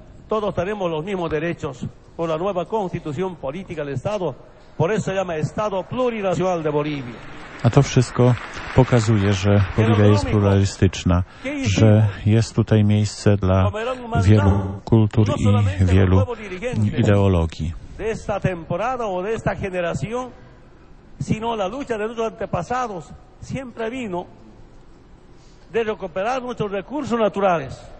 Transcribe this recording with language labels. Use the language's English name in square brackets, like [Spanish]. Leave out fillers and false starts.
[Spanish] todos tenemos los mismos derechos por la nueva constitución política del Estado, por eso se llama Estado Plurinacional de Bolivia. [Polish] A to wszystko pokazuje, że Boliwia jest pluralistyczna, że jest tutaj miejsce dla wielu kultur i wielu ideologii. [Spanish] De esta temporada o de esta generación, sino la lucha de nuestros antepasados siempre vino de recuperar nuestros recursos naturales.